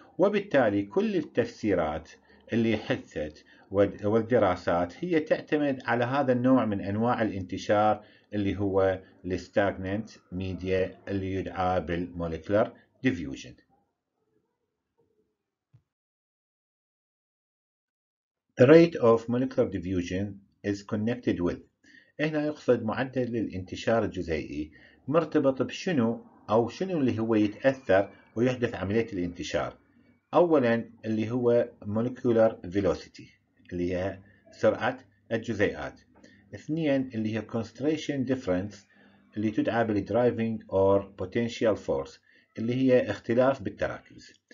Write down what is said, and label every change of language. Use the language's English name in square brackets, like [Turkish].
[Arabic] وبالتالي كل التفسيرات اللي حثت والدراسات هي تعتمد على هذا النوع من أنواع الانتشار اللي هو الستاجننت ميديا اللي يدعى بالموليكولر ديفيوجن. [English] The rate of molecular diffusion is connected with. [Arabic] هنا يقصد معدل الانتشار الجزيئي مرتبط بشنو، أو شنو اللي هو يتأثر ويحدث عملية الانتشار. اولا اللي هو molecular velocity اللي هي سرعة الجزيئات. ثانيا اللي هي concentration difference اللي تدعى بالdriving or potential force اللي هي اختلاف بالتراكز.